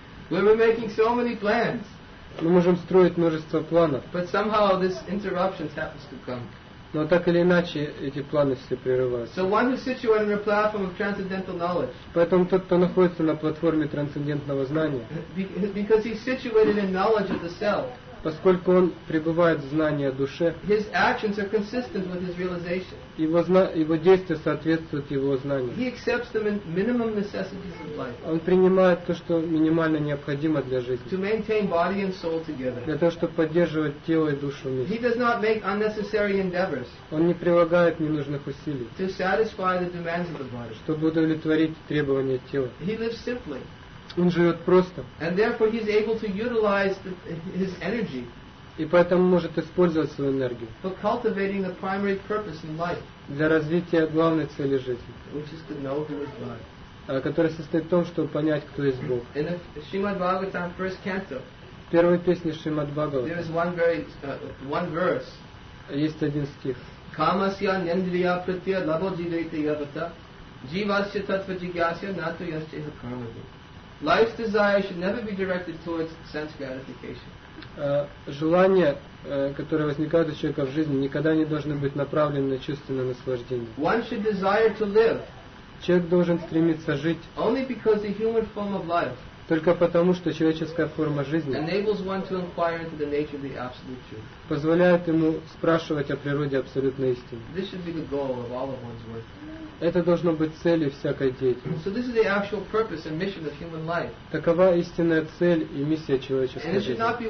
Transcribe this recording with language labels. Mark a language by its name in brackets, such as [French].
[English] When we're making so many plans. [Russian] Мы можем строить множество планов. [English] But somehow this interruption happens to come. [Russian] Но так или иначе эти планы все прерываются. [English] So one who's situated on a platform of transcendental knowledge. [Russian] Поэтому тот, кто находится на платформе трансцендентного знания. [English] Because he's situated in knowledge of the self. [Russian] Поскольку он пребывает в знании о душе. [English] His actions are consistent with his realization. [Russian] Его действия соответствуют его знанию. [English] He accepts the minimum necessities of life. [Russian] Он принимает то, что минимально необходимо для жизни. [English] To maintain body and soul together. [Russian] Для того, чтобы поддерживать тело и душу вместе. [English] He does not make unnecessary endeavors. [Russian] Он не прилагает ненужных усилий. [English] To satisfy the demands of the body. [Russian] Чтобы удовлетворить требования тела. [English] He lives simply. [Russian] Он живет просто. [English] And therefore he's able to utilize his energy. [Russian] И поэтому может использовать свою энергию. [English] For cultivating the primary purpose in life. [Russian] Для развития главной цели жизни. [English] Which is to know who is God. [Russian] Которая состоит в том, чтобы понять, кто есть Бог. [English] In the Srimad Bhagavatam first canto. [Russian] В первой песне Шримад Бхагаватам. [English] There is one very one verse. [Russian] Есть один стих. [Sanskrit] Камасья нендрия притья лабхаджидайте явата живасья татва джигьясья нато ясчеха кармаде. [English] Life's desire should never be directed towards sense gratification. [Russian] Желания, которые возникают у человека в жизни, никогда не должны быть направлены на чувственное наслаждение. [English] One should desire to live. [Russian] Человек должен стремиться жить. [English] Only because the human form of life. [Russian] Только потому, что человеческая форма жизни. [English] Enables one to inquire into the nature of the absolute truth. [Russian] Позволяет ему спрашивать о природе абсолютной истины. [English] This should be the goal of all of one's work. [Russian] Это должно быть целью всякой деятельности. Такова истинная цель и миссия человеческой жизни.